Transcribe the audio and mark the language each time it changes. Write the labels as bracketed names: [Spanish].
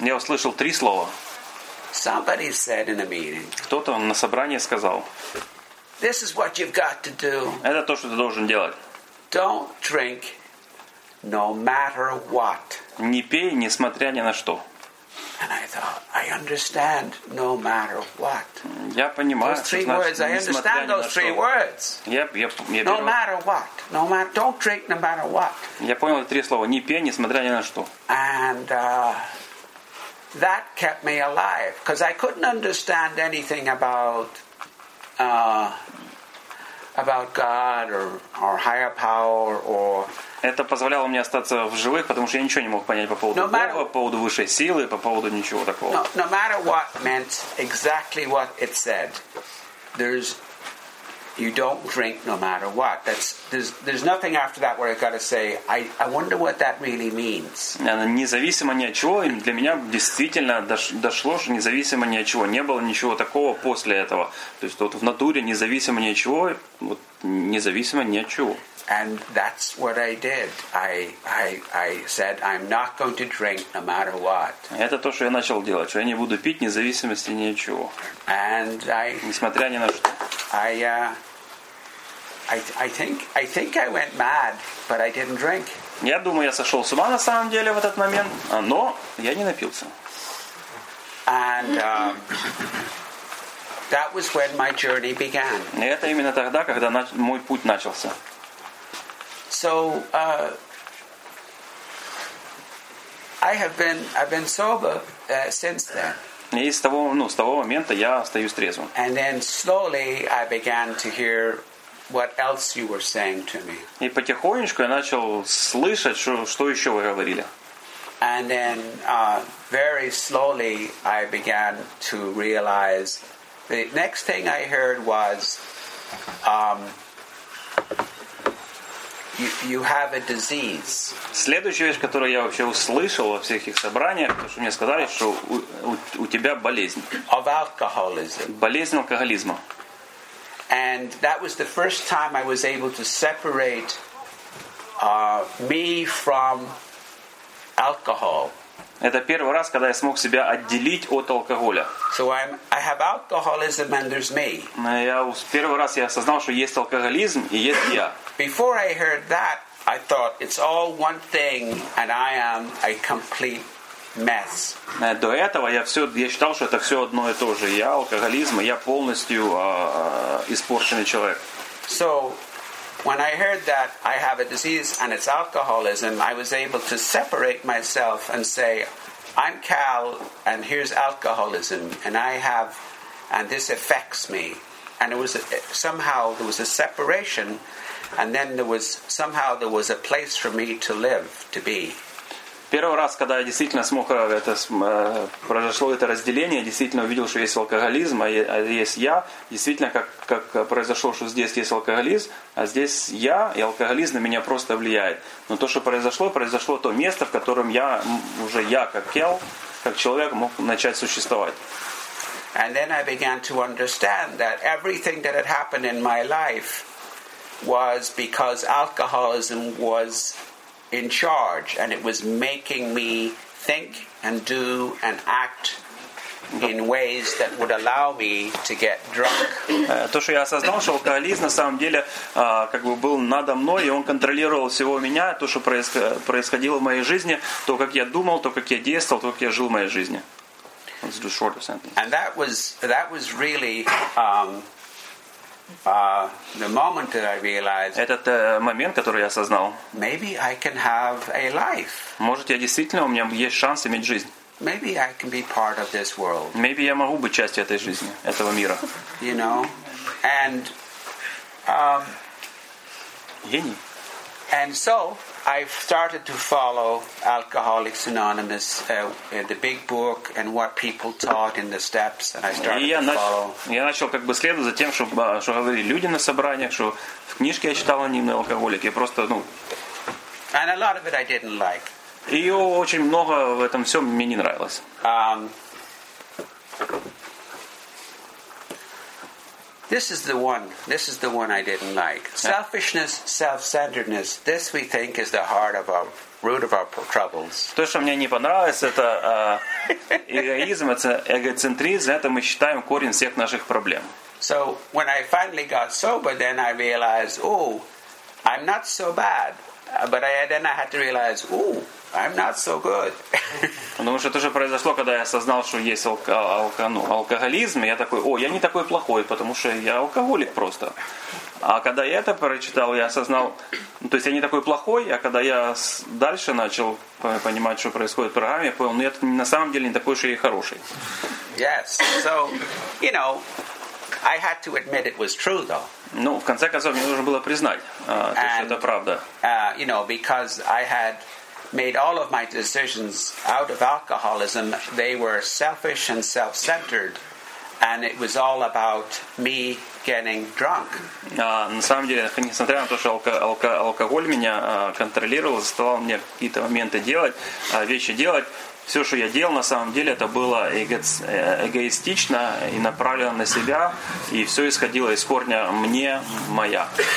[Russian] Я услышал три слова. [English] Somebody said in a meeting. [Russian] Кто-то на собрании сказал. [English] This is what you've got to do. [Russian] Это то, что ты должен делать. [English] Don't drink, no matter what. [Russian] Не пей, несмотря ни на что. [English] And I thought, I understand, no matter what. [Russian] Я понимаю. [English] Those three words. I understand those three words. [Russian] Я [English] no matter what. No matter. Don't drink, no matter what. [Russian] Я понял три слова. Не пей, несмотря ни на что. [English] And that kept me alive because I couldn't understand anything about God or higher power or. [Russian] Это позволяло мне остаться в живых, потому что я ничего не мог понять по поводу Бога, по поводу высшей силы, по поводу ничего такого. [English] No matter what meant exactly what it said, there's you don't drink no matter what. There's nothing after that where I got to say I wonder what that really means. [Russian] Независимо ни от чего, для меня действительно дошло, что независимо ни от чего не было ничего такого после этого. То есть вот в натуре независимо ни от чего, вот независимо ни от чего. [English] And that's what I did. I said I'm not going to drink no matter what. [Russian] Это то, что я начал делать, что я не буду пить независимо ни от чего. [English] And I [Russian] несмотря ни на что. [English] I think I went mad, but I didn't drink. [Russian] Я думаю, я сошёл с ума на самом деле в этот момент, но я не напился. [English] And that was when my journey began. [Russian] Это именно тогда, когда мой путь начался. [English] So I've been sober since then. [Russian] И с того момента я остаюсь трезвым. [English] And then slowly I began to hear what else you were saying to me. [Russian] И потихонечку я начал слышать, что ещё вы говорили. [English] And then very slowly I began to realize the next thing I heard was You have a disease. [Russian] Следующая вещь, которую я вообще услышал во всех их собраниях, то, что мне сказали, что у тебя болезнь. [English] Of alcoholism. [Russian] Болезнь алкоголизма. [English] And that was the first time I was able to separate me from alcohol. [Russian] Это первый раз, когда я смог себя отделить от алкоголя. [English] So I have alcoholism and there's me. [Russian] Первый раз я осознал, что есть алкоголизм и есть я. [English] Before I heard that, I thought it's all one thing and I am a complete mess. [Russian] До этого я считал, что это все одно и то же. Я алкоголизм, я полностью испорченный человек. [English] So when I heard that I have a disease and it's alcoholism, I was able to separate myself and say, I'm Cal and here's alcoholism and I have, and this affects me. And it was somehow there was a separation and then there was a place for me to live, to be. [Russian] Первый раз, когда я действительно смог произошло это разделение, я действительно увидел, что есть алкоголизм, а есть я. Действительно, как произошло, что здесь есть алкоголизм, а здесь я, и алкоголизм на меня просто влияет. Но то, что произошло то место, в котором я уже я, как Кел, как человек, мог начать существовать. [English] And then I began to understand that everything that had happened in my life was because alcoholism was in charge, and it was making me think and do and act in ways that would allow me to get drunk. [Russian] То, что я осознал, что алкоголизм на самом деле как бы был надо мной, и он контролировал всего меня, то, что происходило в моей жизни, то, как я думал, то, как я действовал, то, как я жил в моей жизни. [English] Let's do a shorter sentence. And that was really the moment that I realized. [Russian] Этот момент, который я осознал. [English] Maybe I can have a life. [Russian] Может, я действительно у меня есть шанс иметь жизнь. [English] Maybe I can be part of this world. Maybe [Russian] я могу быть частью этой жизни, этого мира. [English] You know, and [Russian] гений. [English] And so I started to follow Alcoholics Anonymous, the Big Book, and what people taught in the steps, and I started to follow. [Russian] Я начал как бы следовать за тем, что говорили люди на собраниях, что в книжке я читал анонимные алкоголики. [English] And a lot of it I didn't like. [Russian] И очень много в этом всем мне не нравилось. [English] This is the one I didn't like. Selfishness, self-centeredness. This we think is the heart of our root of our troubles. [Russian] То, что мне не понравилось, это эгоизм, это эгоцентризм. Это мы считаем корень всех наших проблем. [English] So when I finally got sober, then I realized, oh, I'm not so bad. But then I had to realize, oh, I'm not so good. [Russian] Потому что то, что произошло, когда я осознал, что есть алкоголизм, я такой, о, я не такой плохой, потому что я алкоголик просто. А когда я это прочитал, я осознал, то есть я не такой плохой, а когда я дальше начал понимать, что происходит в программе, я понял, ну я на самом деле не такой уж и хороший. [English] Yes, so, you know, I had to admit it was true, though. [Russian] Ну, в конце концов, мне нужно было признать, что это правда. [English] You know, because I had made all of my decisions out of alcoholism, they were selfish and self-centered, and it was all about me getting drunk. [Russian] На самом деле, несмотря на то, что алкоголь меня контролировал, заставал мне какие-то моменты делать, вещи делать, все, что я делал, на самом деле, это было эгоистично и направлено на себя, и все исходило из корня «мне», «моя».